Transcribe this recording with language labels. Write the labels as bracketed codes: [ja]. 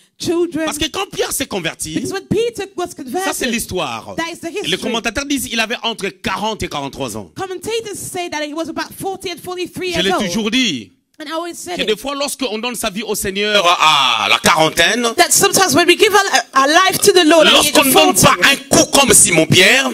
[en] Children. [fr] Parce que quand Pierre s'est converti, [en] when Peter was converted, [fr] ça c'est l'histoire. [en] That is the history. [fr] Les commentateurs disent qu'il avait entre 40 et 43 ans. [en] Commentators say that he was about 40 and 43 years old. [fr] Je l'ai toujours dit. [en] And I always said [fr] que des fois, lorsqu'on donne sa vie au Seigneur à la quarantaine, [en] that sometimes when we give our life to the Lord, [fr] lorsqu'on ne donne pas un coup comme Simon Pierre,